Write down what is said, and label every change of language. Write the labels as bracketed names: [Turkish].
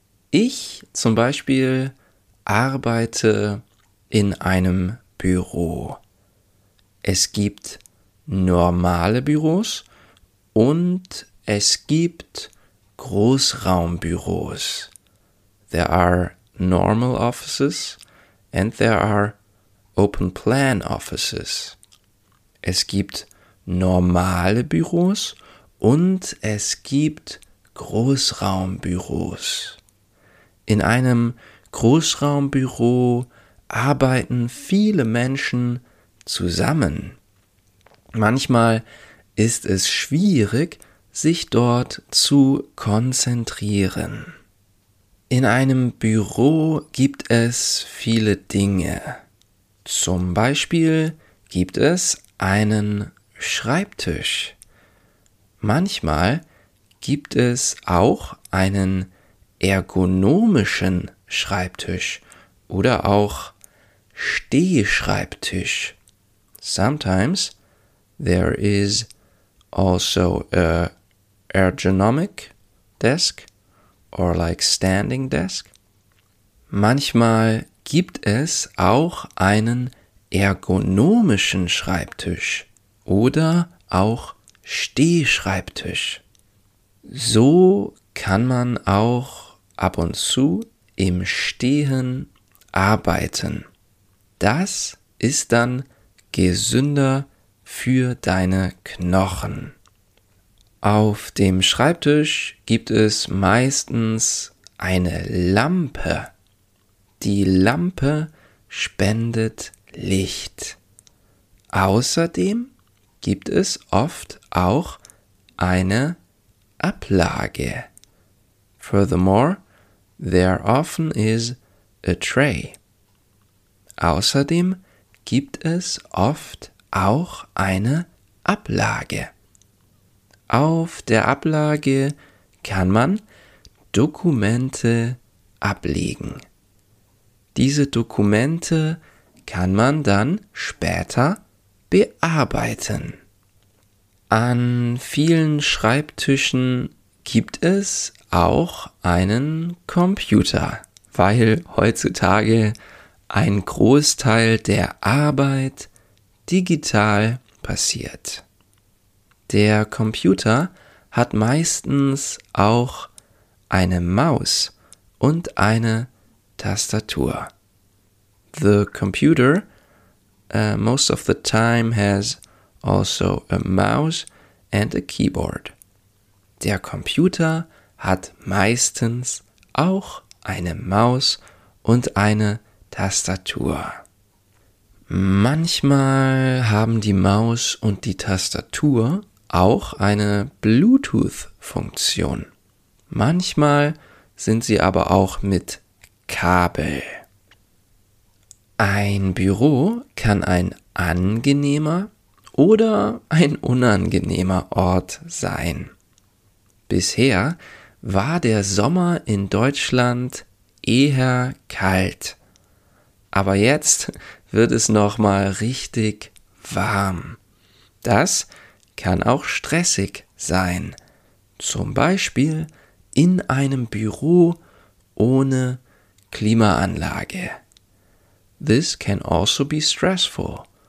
[German] Ich zum Beispiel arbeite in einem Büro. Es gibt normale Büros und es gibt Großraumbüros. [English] There are normal offices and there are open plan offices. [German] Es gibt normale Büros und es gibt Großraumbüros. In einem Großraumbüro arbeiten viele Menschen zusammen. Manchmal ist es schwierig, sich dort zu konzentrieren. In einem Büro gibt es viele Dinge. Zum Beispiel gibt es einen Schreibtisch. Manchmal gibt es auch einen ergonomischen Schreibtisch oder auch Stehschreibtisch. [English] Sometimes there is also a ergonomic desk or like standing desk. [German] Manchmal gibt es auch einen ergonomischen Schreibtisch oder auch Stehschreibtisch. So kann man auch ab und zu im Stehen arbeiten. Das ist dann gesünder für deine Knochen. Auf dem Schreibtisch gibt es meistens eine Lampe. Die Lampe spendet Licht. Außerdem gibt es oft auch eine Ablage. [English] Furthermore, there often is a tray. [German] Außerdem gibt es oft auch eine Ablage. Auf der Ablage kann man Dokumente ablegen. Diese Dokumente kann man dann später bearbeiten. An vielen Schreibtischen gibt es auch einen Computer, weil heutzutage ein Großteil der Arbeit digital passiert. Der Computer hat meistens auch eine Maus und eine Tastatur. [English] The computer, most of the time has also a mouse and a keyboard. [German] Der Computer hat meistens auch eine Maus und eine Tastatur. Manchmal haben die Maus und die Tastatur auch eine Bluetooth-Funktion. Manchmal sind sie aber auch mit Kabel. Ein Büro kann ein angenehmer oder ein unangenehmer Ort sein. Bisher war der Sommer in Deutschland eher kalt. Aber jetzt wird es nochmal richtig warm. Das kann auch stressig sein. Zum Beispiel in einem Büro ohne Klimaanlage. [English] This can also be stressful.